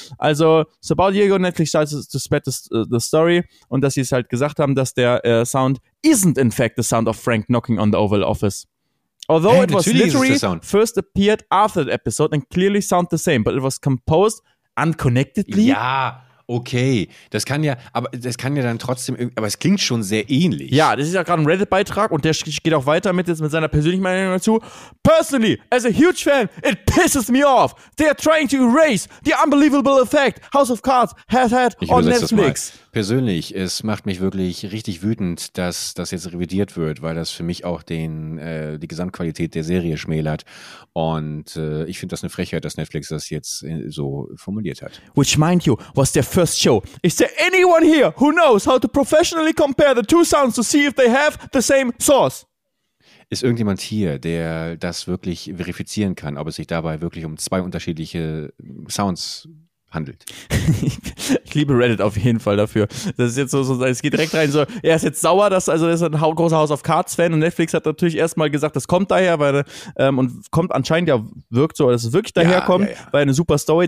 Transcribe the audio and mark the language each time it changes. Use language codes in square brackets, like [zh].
[en] Also, so about a year ago, Netflix starts to spread the story [de] und dass sie es halt gesagt haben, dass der Sound [en] isn't in fact the sound of Frank knocking on the Oval Office. Although it was literally first appeared after the episode and clearly sound the same, but it was composed unconnectedly. [de] Ja, okay, das kann ja, aber das kann ja dann trotzdem, aber es klingt schon sehr ähnlich. Ja, das ist ja gerade ein Reddit-Beitrag und der geht auch weiter mit seiner persönlichen Meinung dazu. [en] Personally, as a huge fan, it pisses me off. They are trying to erase the unbelievable effect House of Cards has had on Netflix. [de] persönlich, es macht mich wirklich richtig wütend, dass das jetzt revidiert wird, weil das für mich auch die Gesamtqualität der Serie schmälert. Und ich finde das eine Frechheit, dass Netflix das jetzt so formuliert hat. [en] Which, mind you, was their first show. Is there anyone here who knows how to professionally compare the two sounds to see if they have the same source? [de] Ist irgendjemand hier, der das wirklich verifizieren kann, ob es sich dabei wirklich um zwei unterschiedliche Sounds handelt? Ich liebe Reddit auf jeden Fall dafür. Das ist jetzt so, es geht direkt rein. So, er ist jetzt sauer, er ist ein großer House of Cards Fan und Netflix hat natürlich erstmal gesagt, das kommt daher, weil und kommt anscheinend ja, wirkt so, dass es wirklich daherkommt, ja. Weil eine super Story.